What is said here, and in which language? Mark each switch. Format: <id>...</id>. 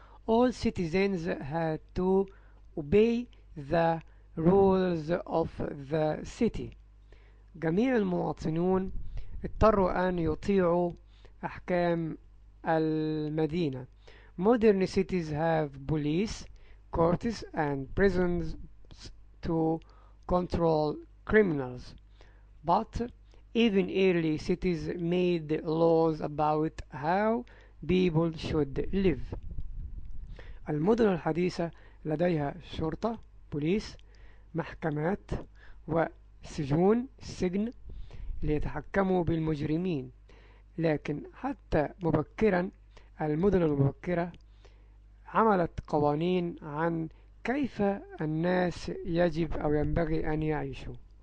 <en>All citizens had to obey the rules of the city.</en> <ar>جميع المواطنون اضطروا أن يطيعوا أحكام المدينة.</ar> <en>Modern cities have police, courts and prisons to control criminals. But even early cities made laws about how people should live.</en> <ar>المدن الحديثة لديها شرطة, بوليس, محكمات وسجون, سجن, ليتحكموا بالمجرمين. لكن حتى مبكرا المدن المبكرة عملت قوانين عن كيف الناس يجب أو ينبغي أن يعيشوا.</ar>